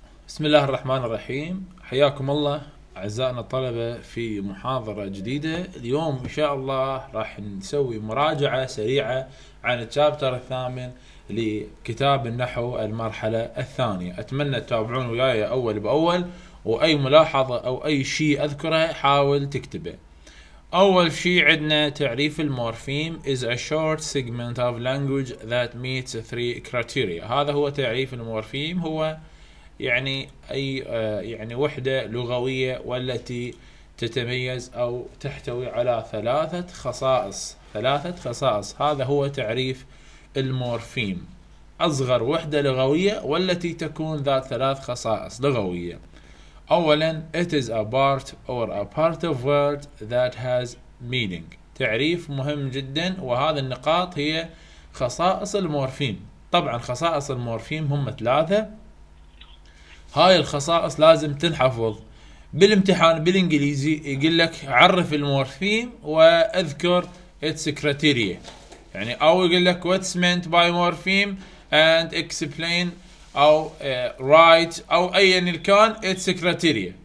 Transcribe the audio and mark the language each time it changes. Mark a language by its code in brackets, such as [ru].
[ar] بسم الله الرحمن الرحيم، حياكم الله أعزائنا الطلبة في محاضرة جديدة. اليوم إن شاء الله راح نسوي مراجعة سريعة عن الشابتر الثامن لكتاب النحو المرحلة الثانية. أتمنى تتابعون وياي أول بأول، وأي ملاحظة أو أي شيء أذكره حاول تكتبه. أول شيء عندنا تعريف المورفيم [en] is a short segment of language that meets three criteria. [ar] هذا هو تعريف المورفيم، هو يعني أي يعني وحدة لغوية والتي تتميز أو تحتوي على ثلاثة خصائص. هذا هو تعريف المورفيم، أصغر وحدة لغوية والتي تكون ذات ثلاث خصائص لغوية. [en] أولا it is a part or a part of word that has meaning. [ar] تعريف مهم جدا، وهذه النقاط هي خصائص المورفيم. طبعا خصائص المورفيم هم ثلاثة، هاي الخصائص لازم تنحفظ بالامتحان. بالانجليزي يقول لك عرف المورفيم واذكر [en] its criteria، [ar] يعني او يقول لك [en] what's meant by morpheme and explain [ar] او write او ايا كان its criteria.